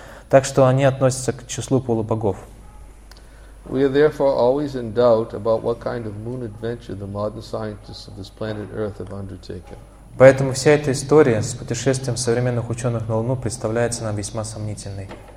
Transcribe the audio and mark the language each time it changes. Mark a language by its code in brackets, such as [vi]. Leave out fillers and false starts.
[ru] Так что они относятся к числу полубогов. [en] We are therefore always in doubt about what kind of moon adventure the modern scientists of this planet Earth have undertaken. [ru] Поэтому вся эта история с путешествием современных ученых на Луну представляется нам весьма сомнительной.